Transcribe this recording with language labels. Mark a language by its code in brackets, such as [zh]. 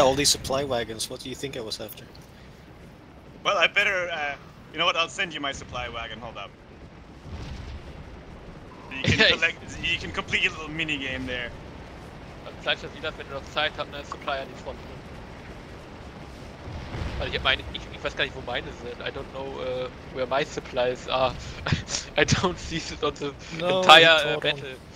[en] all these supply wagons, what do you think I was after? Well, I better, you know what, I'll send you my supply wagon, hold up. You can collect, you can complete a little mini game there. [de] Vielleicht hat jeder, wenn du noch Zeit hast, eine Supply an die Front. Also ich hab meine, ich weiß gar nicht, wo meine sind. [en] I don't know where my supplies are. I don't see it on the entire battle.